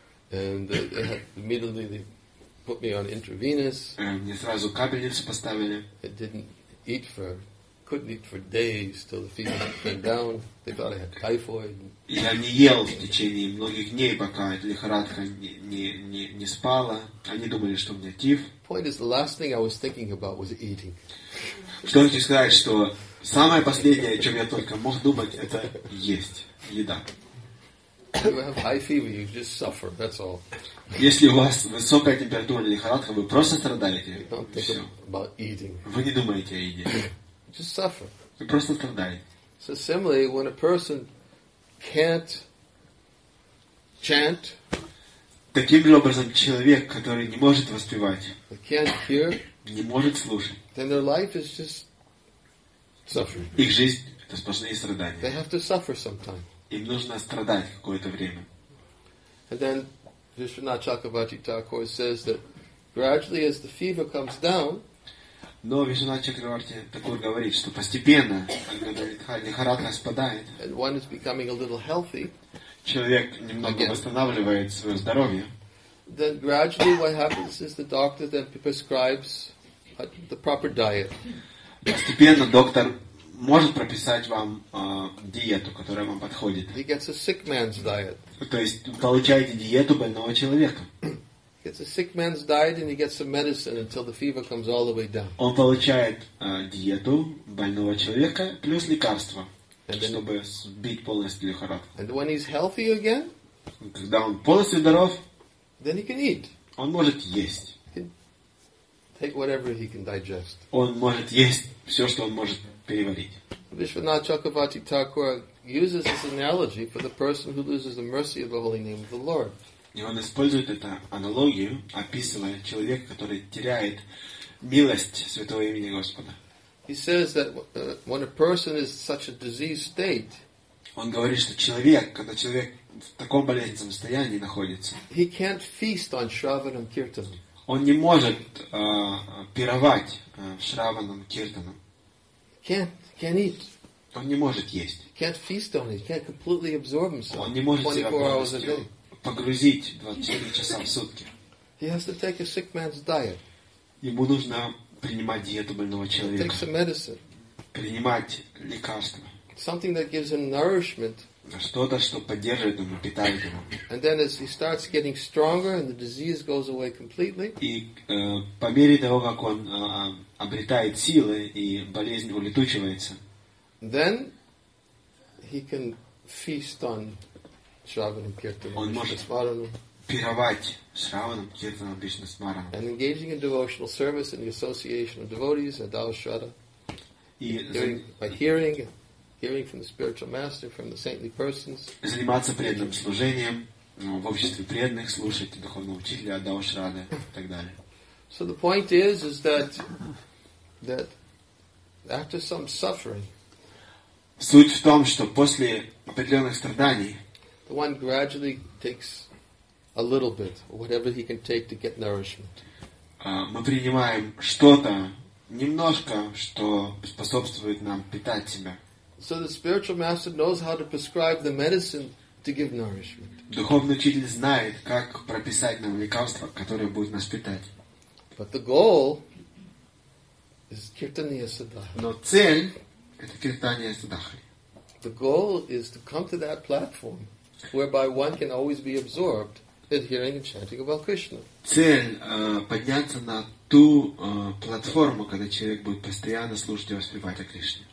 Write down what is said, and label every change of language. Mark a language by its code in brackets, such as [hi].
[en] And immediately they put me on intravenous. [ru] Мне сразу капельницу поставили. [en] I didn't eat for, couldn't eat for days till the fever went down. They thought I had typhoid. [ru] Я не ел в течение многих дней, пока эта лихорадка не спала. Они думали, что у меня тиф. [en] Point is, the last thing I was thinking about was eating. [ru] Что хочу сказать, что самое последнее, о чем я только мог думать, это есть, еда. [en] You have high fever, you just suffer, that's all. [ru] Если у вас высокая температура или лихорадка, вы просто страдаете. [en] About eating. [ru] Вы не думаете о еде. [en] Just suffer. [ru] Вы просто страдаете. [en] So similarly, when a person can't chant, [ru] таким же образом человек, который не может воспевать, [en] can't hear, [ru] не может слушать, [en] then their life is just suffering. [ru] Их жизнь – это сплошные страдания. [en] They have to suffer sometime. [ru] Им нужно страдать какое-то время. [en] And then Vishwanath Chakravarti Thakur says that gradually as the fever comes down, [ru] но Вишванат Чакраварти Такур говорит, что постепенно, когда лихорадка спадает, [en] and one is becoming a little healthy, [ru] человек немного [en] again, [ru] восстанавливает свое здоровье. [en] Then gradually what happens is the doctor then prescribes the proper diet. [ru] Постепенно доктор может прописать вам диету, которая вам подходит. [en] He gets a sick man's diet. [ru] То есть вы получаете диету больного человека. [en] It's a sick man's diet, and he gets some medicine until the fever comes all the way down. [ru] Он получает диету больного человека плюс лекарства, чтобы сбить полностью лихорадку. [en] And when he's healthy again, [ru] когда он полностью здоров, [en] then he can eat. [ru] Он может есть. [en] He can take whatever he can digest. [ru] Он может есть все, что он может переварить. [en] Vishwanath Chakravarti Thakur uses this analogy for the person who loses the mercy of the holy name of the Lord. [ru] И он использует эту аналогию, описывая человека, который теряет милость святого имени Господа. [en] He says that when a person is such a diseased state, [ru] он говорит, что человек, когда человек в таком болезненном состоянии находится, [en] he can't feast on Shravanam Kirtanam. [ru] Он не может пировать Shravanam Kirtanam. [en] Can't eat. [ru] Он не может есть. [en] Can't feast on it. Can't completely absorb himself. [ru] Он не может [en] 24 hours a day. [ru] Погрузить 24 часа в сутки. [en] He has to take a sick man's diet. [ru] Ему нужно принимать диету больного человека. [en] Take some medicine. [ru] Принимать лекарства. [en] Something that gives him nourishment. [ru] Что-то, что поддерживает его, питает его. [en] And then as he starts getting stronger and the disease goes away completely. [ru] И по мере того, как он обретает силы и болезнь улетучивается. [en] Then he can feast on Shravanam Kirtanam. [ru] Он может пировать Shravanam Kirtanam Vishnu Smaranam. [en] And engaging in devotional service in the association of devotees at Dalshada. By hearing from the spiritual master, from the saintly persons. [ru] Заниматься преданным служением в обществе преданных, слушать духовного учителя от Дашрады и так далее. [en] So the point is that after some suffering. [ru] Суть в том, что после определенных страданий. [en] The one gradually takes a little bit, whatever he can take to get nourishment. [ru] Мы принимаем что-то, немножко, что способствует нам питать себя. [en] So the spiritual master knows how to prescribe the medicine to give nourishment. [ru] Духовный учитель знает, как прописать нам лекарство, которое будет нас питать. [en] But the goal is Kirtaniya Sadhaka. [ru] Но цель – это Kirtaniya Sadhaka. [en] The goal is to come to that platform whereby one can always be absorbed in hearing and chanting about Krishna. [ru] Цель подняться на ту платформу, когда человек будет постоянно слушать и воспевать о Кришне.